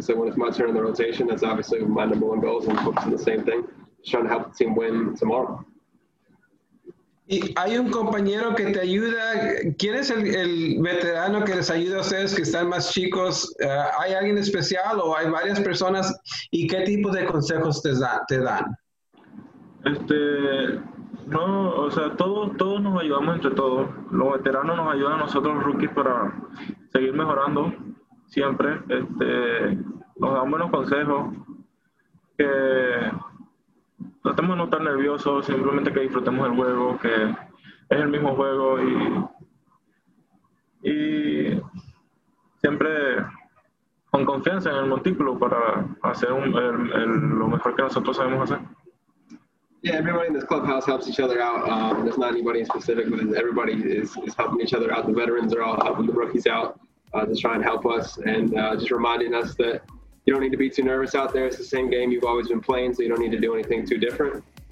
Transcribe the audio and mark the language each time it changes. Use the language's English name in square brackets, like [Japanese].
[English] So when it's my turn in the rotation, that's obviously my number one goal, and focusing on the same thing, just trying to help the team win tomorrow. [Spanish] ¿Y hay un compañero que te ayuda? ¿Quién es el veterano que les ayuda a ustedes que están más chicos? ¿Hay alguien especial o hay varias personas? ¿Y qué tipo de consejos te dan? No, o sea, todos nos ayudamos entre todos. Los veteranos nos ayudan a nosotros, los rookies, para seguir mejorando siempre. Nos dan buenos consejos. Que tratemos de no estar nerviosos, simplemente que disfrutemos del juego, que es el mismo juego. Y siempre con confianza en el montículo para hacer lo mejor que nosotros sabemos hacer. [English] Yeah, everybody in this clubhouse helps each other out. There's not anybody in specific, but everybody is helping each other out. The veterans are all helping the rookies out to try and help us and just reminding us that you don't need to be too nervous out there. It's the same game you've always been playing, so you don't need to do anything too different.